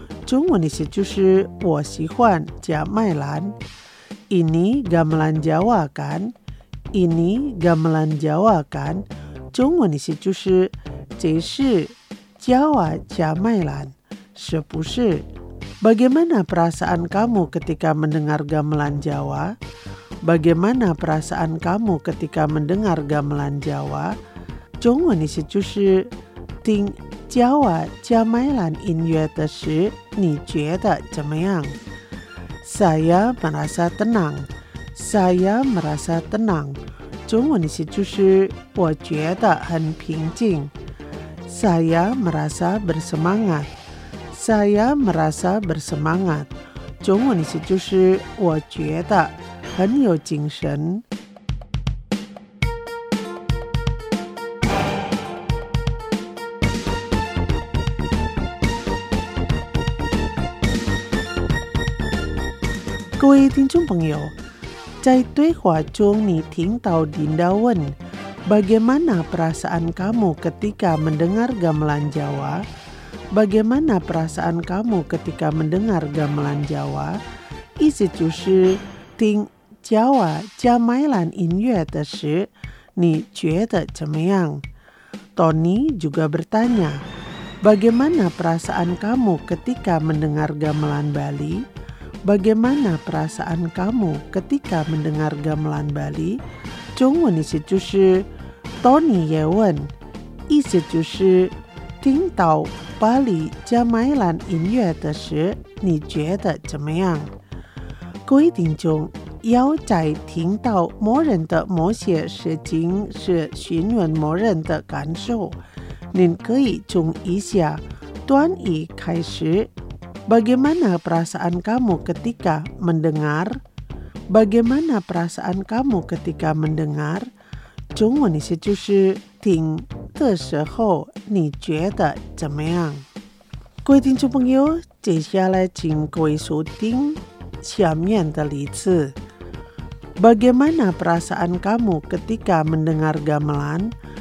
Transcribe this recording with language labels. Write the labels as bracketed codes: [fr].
[zh] 中文的意思就是我喜欢伽麦兰。 [id] Ini gamelan Jawa kan? Ini gamelan Jawa kan? [zh] 中文的意思就是这是 Jawa 伽麦兰，是不是？ [id] Bagaimana perasaan kamu ketika mendengar gamelan Jawa? Bagaimana perasaan kamu ketika mendengar gamelan Jawa? [zh] 中文的意思就是听加瓦加麦兰音乐的时你觉得怎么样。 [id] Saya merasa tenang Saya merasa tenang [zh] 中文的意思就是我觉得很平静。 [id] Saya merasa bersemangat Saya merasa bersemangat [zh] 中文的意思就是我觉得很有精神。各位听众朋友，在对话中你听到 Dinda 问 [id] Bagaimana perasaan kamu ketika mendengar gamelan Jawa? Bagaimana perasaan kamu ketika mendengar gamelan Jawa? [zh] 意思就是听 Jawa 加麦兰音乐的时你觉得怎么样？ [id] Tony juga bertanya Bagaimana perasaan kamu ketika mendengar gamelan Bali? Bagaimana perasaan kamu ketika mendengar gamelan Bali? [zh] 中文的意思就是 Tony 也问，意思就是听到巴黎加麦兰音乐的时你觉得怎么样？各位听众，要在听到某人的某些事情是询问某人的感受，您可以从以下短语开始。 [id] Bagaimana perasaan kamu ketika mendengar? Bagaimana perasaan kamu ketika mendengar? [zh] 中文的意思就是听的时候你觉得怎么样？各位听众朋友，接下来请各位收听下面的例子。 [id] Bagaimana perasaan kamu ketika mendengar gamelan?